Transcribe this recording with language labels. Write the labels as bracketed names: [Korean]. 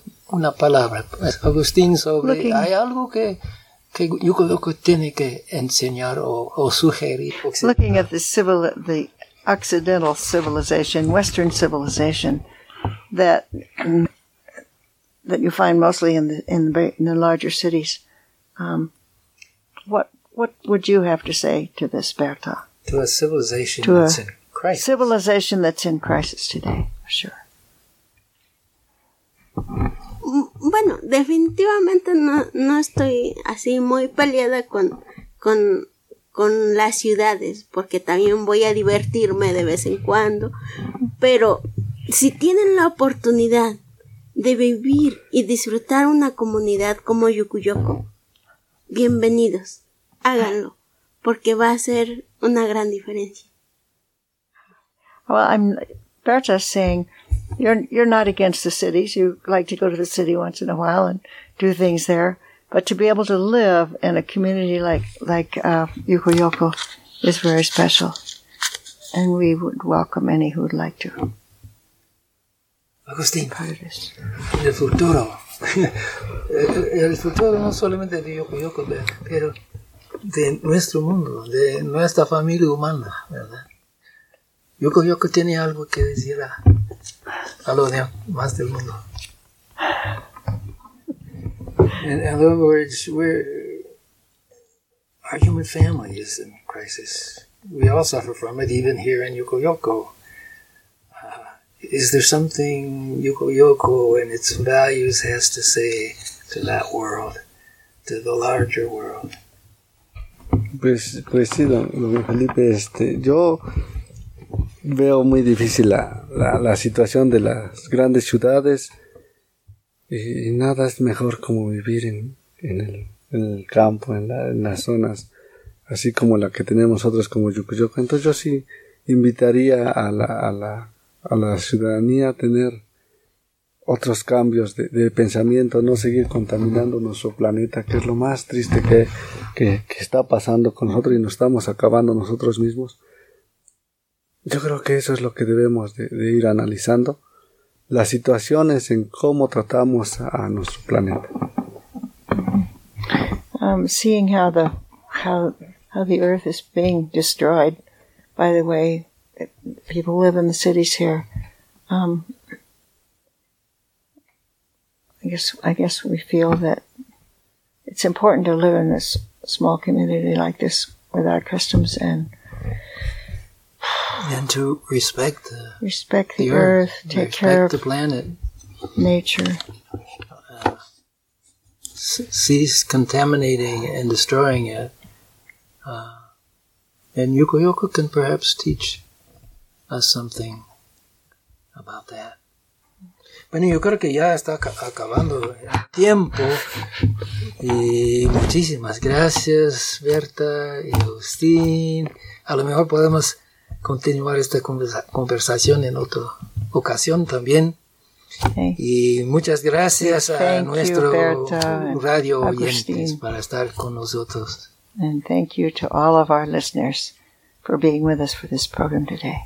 [Spanish] Una palabra, pues, Agustín, sobre... ¿Hay algo que... que Yoko Yoko tiene que enseñar o sugerir? [English] Looking at the occidental civilization, Western civilization, that you find mostly in the larger cities, what would you have to say to this, Berta? To a civilization that's in crisis. Civilization that's in crisis today, for sure. [Spanish] Bueno, definitivamente no estoy así muy peleada con las ciudades, porque también voy a divertirme de vez en cuando. Pero si tienen la oportunidad de vivir y disfrutar una comunidad como Yoko Yoko, bienvenidos, háganlo, porque va a ser una gran diferencia. [English] Well, Berta is saying you're not against the cities. You like to go to the city once in a while and do things there. But to be able to live in a community like Yoko Yoko is very special. And we would welcome any who would like to. [Spanish] Agustín, el futuro. El futuro no solamente de Yoko Yoko, pero de nuestro mundo, de nuestra familia humana, ¿verdad? Yoko Yoko tiene algo que decir a lo demás del mundo. [English] In other words, our human family is in crisis. We all suffer from it, even here in Yokoyoko. Is there something Yokoyoko and its values has to say to that world, to the larger world? [Spanish] Pues sí, don Felipe, yo veo muy difícil la situación de las grandes ciudades y nada es mejor como vivir en el campo, en las zonas, así como la que tenemos nosotros como Yokoyoko. Entonces yo sí invitaría a la ciudadanía a tener otros cambios de pensamiento, no seguir contaminando nuestro planeta, que es lo más triste que está pasando con nosotros y nos estamos acabando nosotros mismos. Yo creo que eso es lo que debemos de ir analizando, las situaciones en cómo tratamos a nuestro planeta. [English] Seeing how the earth is being destroyed by the way people live in the cities here, I guess we feel that it's important to live in this small community like this with our customs and to respect the earth, take care of the planet, nature, cease contaminating and destroying it, and Yokoyoko can perhaps teach us something about that. [Spanish] Bueno, yo creo que ya está acabando el tiempo y muchísimas gracias, Berta y Agustín. A lo mejor podemos continuar esta conversación en otra ocasión también. [English] Okay. [Spanish] Y muchas gracias a nuestro radio oyentes para estar con nosotros. [English] And thank you to all of our listeners for being with us for this program today.